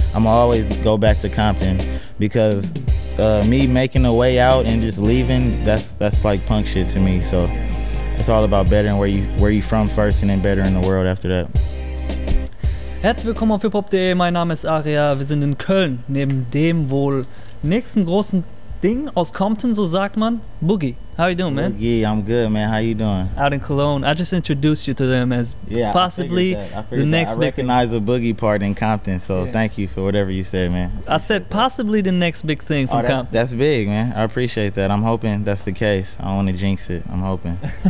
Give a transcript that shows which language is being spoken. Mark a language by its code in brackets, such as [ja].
[en] I'm always go back to Compton because me making a way out and just leaving, that's like punk shit to me. So it's all about bettering where you from first and then bettering the world after that. [de] Herzlich willkommen auf hiphop.de, mein Name ist Aria, wir sind in Köln, neben dem wohl nächsten großen Ding aus Compton, so sagt man, Boogie. [en] How you doing, man? Boogie, I'm good, man. How you doing? Out in Cologne. I just introduced you to them as possibly the next big thing. I recognize the Boogie part in Compton, so thank you for whatever you said, man. I said possibly the next big thing from Compton. That's big, man. I appreciate that. I'm hoping that's the case. I don't want to jinx it. I'm hoping.